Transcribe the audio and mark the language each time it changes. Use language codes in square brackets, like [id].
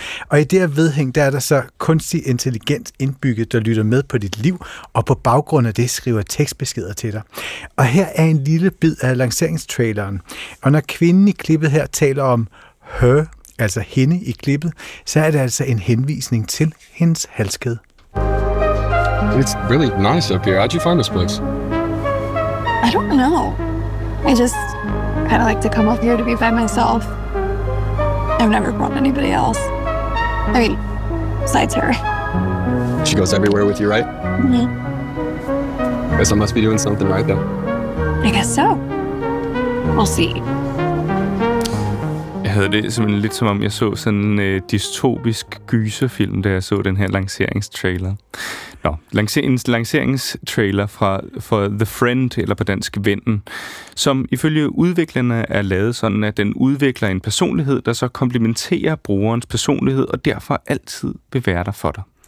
[da] Og i det her vedhæng, der er der så kunstig intelligens indbygget, der lytter med på dit liv, og på baggrund af det skriver tekstbeskeder til dig. Og her er en lille bid af lanceringstraileren. Og når kvinden i klippet her taler om her, altså hende i klippet, så er det altså en henvisning til hendes halskæde. [en] It's really nice up here. How'd you find this place? I don't know. I just kind of like to come up here to be by myself. I've never brought anybody else. I mean, besides her. She goes everywhere with you, right? Mm-hmm. Guess I must be doing something right, though. I guess so. We'll see. [da] Jeg havde det simpelthen lidt som om, jeg så sådan en dystopisk gyserfilm, da jeg så den her lanceringstrailer. Nå, lanceringstrailer for The Friend, eller på dansk Vennen, som ifølge udviklerne er lavet sådan, at den udvikler en personlighed, der så komplementerer brugerens personlighed, og derfor altid vil være der for dig.